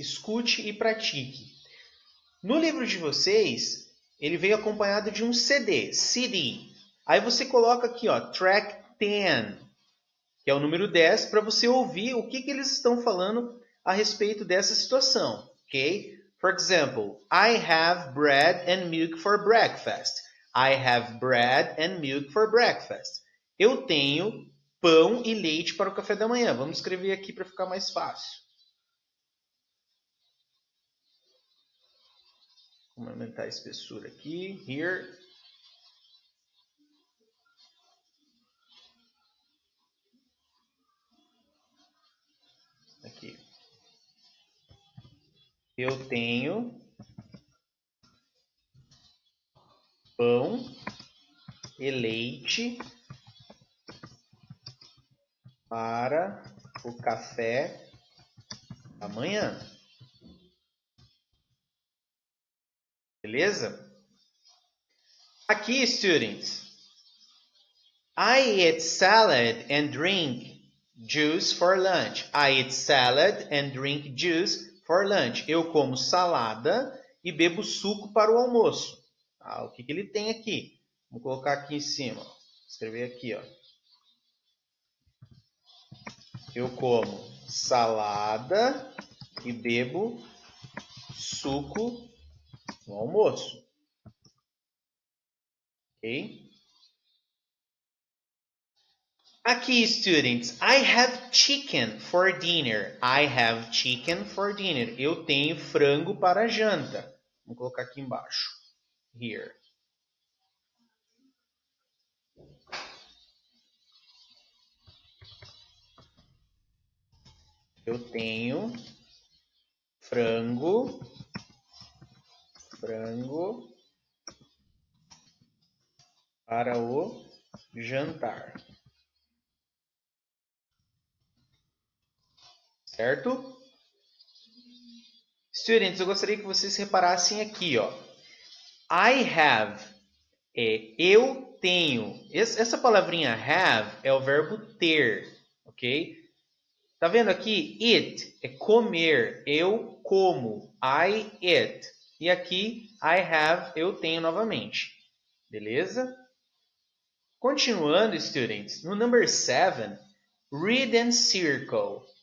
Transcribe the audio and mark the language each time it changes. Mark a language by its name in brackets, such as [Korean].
[Portuguese] Escute e pratique. No livro de vocês, ele vem acompanhado de um CD. CD. Aí você coloca aqui, ó, track 10, que é o número 10, para você ouvir o que que eles estão falando a respeito dessa situação. Ok? [English] For example, I have bread and milk for breakfast. I have bread and milk for breakfast. [Portuguese] Eu tenho pão e leite para o café da manhã. Vamos escrever aqui para ficar mais fácil. Vamos aumentar a espessura aqui. Here. Aqui. Eu tenho pão e leite para o café da manhã. Beleza? Aqui, students. [English] I eat salad and drink juice for lunch. I eat salad and drink juice for lunch, [Portuguese] eu como salada e bebo suco para o almoço. Ah, o que que ele tem aqui? Vou colocar aqui em cima. Escrever aqui, ó. Eu como salada e bebo suco no almoço. Ok? Aqui, students. [English] I have chicken for dinner. I have chicken for dinner. [Portuguese] Eu tenho frango para janta. Vou colocar aqui embaixo. Here. Eu tenho frango para o jantar, certo? Students, eu gostaria que vocês reparassem aqui, ó. [English] I have [Portuguese] é eu tenho. Essa palavrinha have é o verbo ter, ok? Tá vendo aqui? It é comer. Eu como. [English] I eat. [Portuguese] E aqui, [English] I have, [Portuguese] eu tenho novamente. Beleza? Continuando, students. [English] No number 7, read and circle.